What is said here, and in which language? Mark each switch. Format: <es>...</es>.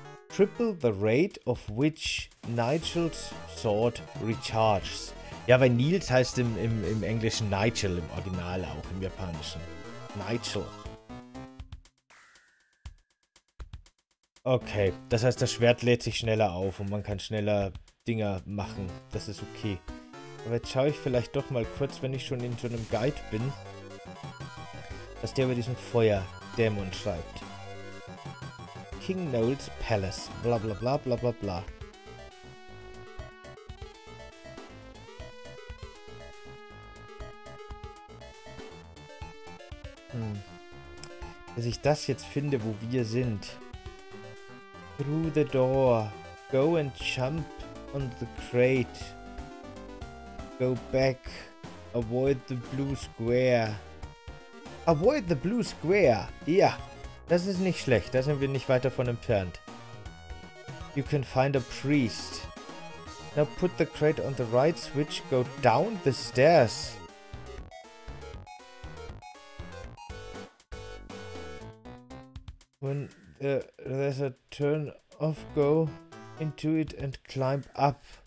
<en>Triple the rate of which Nigel's sword recharges.</en> <de>Ja, weil Nils heißt im Englischen Nigel, im Original auch, im Japanischen. Nigel. Okay, das heißt, das Schwert lädt sich schneller auf und man kann schneller Dinger machen. Das ist okay. Aber jetzt schaue ich vielleicht doch mal kurz, wenn ich schon in so einem Guide bin, was der über diesen Feuerdämon schreibt.</de> <en>King Knowles Palace. Bla bla bla bla bla bla.</en> <de>Dass ich das jetzt finde, wo wir sind.</de> <en>Through the door. Go and jump on the crate. Go back. Avoid the blue square. Avoid the blue square. Ja.</en> <de>Das ist nicht schlecht. Da sind wir nicht weit davon entfernt.</de> <en>You can find a priest. Now put the crate on the right switch. Go down the stairs. When there's a turn off, go into it and climb up.</en>